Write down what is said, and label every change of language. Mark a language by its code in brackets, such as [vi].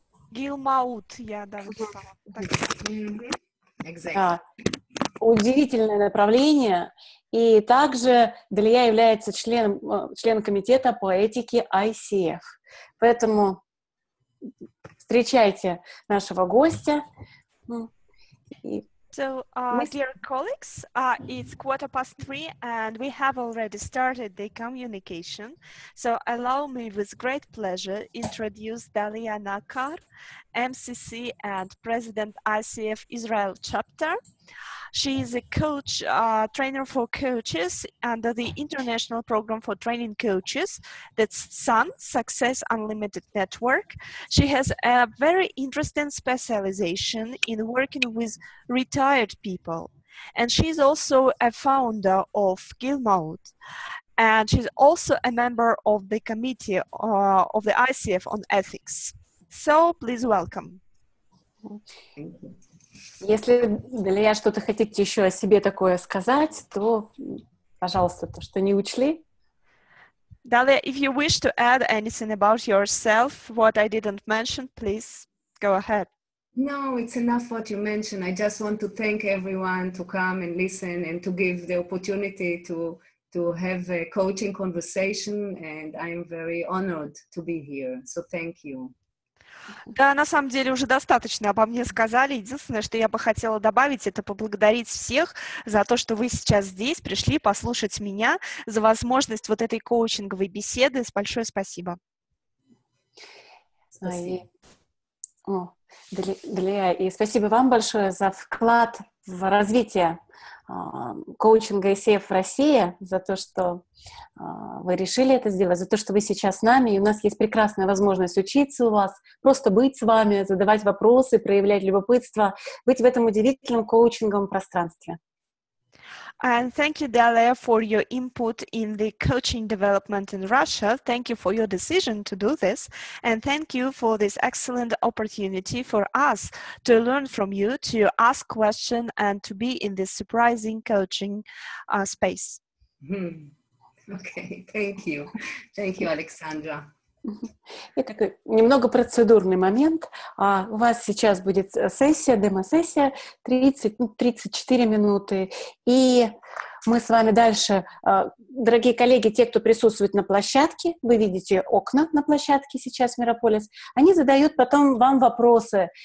[ru] Гилмаут, я даже сказала. Удивительное направление. И также Далия является членом комитета по этике ICF. Поэтому встречайте нашего гостя. [en] So, dear colleagues, it's 3:15, and we have already started the communication. So, allow me with great pleasure introduce Dalia Nakar, MCC and President ICF Israel Chapter. She is a coach, trainer for coaches under the International Program for Training Coaches, that's SUN, Success Unlimited Network. She has a very interesting specialization in working with retired people. And she's also a founder of Gilmaut. And she's also a member of the committee of the ICF on ethics. So please welcome. [ru] Если для я что-то хотите еще о себе такое сказать, то, пожалуйста, то, что не учли. [en] Далее, if you wish to add anything about yourself, what I didn't mention, please go ahead. No, it's enough what you mentioned. I just want to thank everyone to come and listen and to give the opportunity to have a coaching conversation, and I'm very honored to be here. So thank you. [ru] Да, на самом деле уже достаточно обо мне сказали. Единственное, что я бы хотела добавить, это поблагодарить всех за то, что вы сейчас здесь пришли послушать меня, за возможность вот этой коучинговой беседы. Большое спасибо. Спасибо. И спасибо вам большое за вклад в развитие коучинга ICF в России, за то, что вы решили это сделать, за то, что вы сейчас с нами, и у нас есть прекрасная возможность учиться у вас, просто быть с вами, задавать вопросы, проявлять любопытство, быть в этом удивительном коучинговом пространстве. [en] And thank you, Dalia, for your input in the coaching development in Russia. Thank you for your decision to do this. And thank you for this excellent opportunity for us to learn from you, to ask questions and to be in this surprising coaching space. Okay, thank you. Thank you, Alexandra. [ru] И такой немного процедурный момент. У вас сейчас будет сессия, демо-сессия, 34 минуты. И мы с вами дальше, дорогие коллеги, те, кто присутствует на площадке, вы видите окна на площадке сейчас в Мирополис, они задают потом вам вопросы.